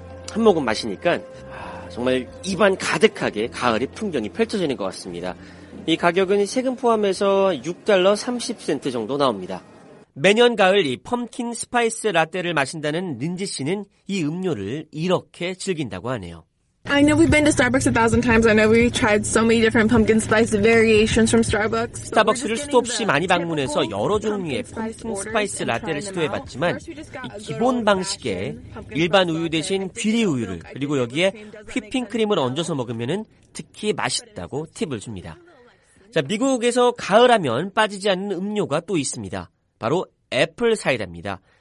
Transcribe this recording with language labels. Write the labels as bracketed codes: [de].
[ko] 한 모금 마시니까 정말 입안 가득하게 가을의 풍경이 펼쳐지는 것 같습니다. 이 가격은 세금 포함해서 6달러 30센트 정도 나옵니다. 매년 가을 이 펌킨 스파이스 라떼를 마신다는 린지 씨는 이 음료를 이렇게 즐긴다고 하네요. [en] I know we've been to Starbucks a thousand times. I know we've tried so many different pumpkin spice variations from Starbucks. [ko] 스타벅스를 수도 없이 많이 방문해서 여러 종류의 펌킨 스파이스 라떼를 시도해봤지만 이 기본 방식에 일반 우유 대신 귀리 우유를 그리고 여기에 휘핑크림을 얹어서 먹으면 특히 맛있다고 팁을 줍니다. 자, 미국에서 가을하면 빠지지 않는 음료가 또 있습니다. 바로 애플 사이다입니다.